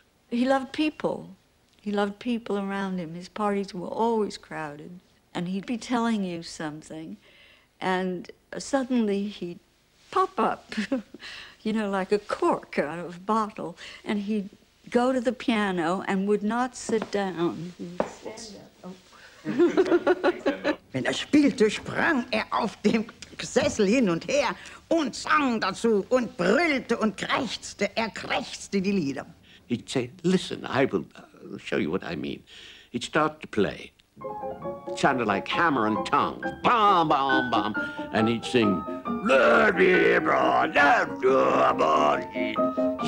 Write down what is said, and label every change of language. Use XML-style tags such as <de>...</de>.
<en>He loved people. He loved people around him. His parties were always crowded. And he'd be telling you something. And suddenly he'd pop up, you know, like a cork out of a bottle. And he'd go to the piano and would not sit down.</en> <de>Wenn er spielte, sprang er auf dem Sessel hin und her und sang dazu und brüllte und krächzte. Er krächzte die Lieder.</de> <en>He'd say, listen, I will show you what I mean. He'd start to play. It sounded like hammer and tongs. Bam, bam, bam. And he'd sing, let me run, let me run.</en>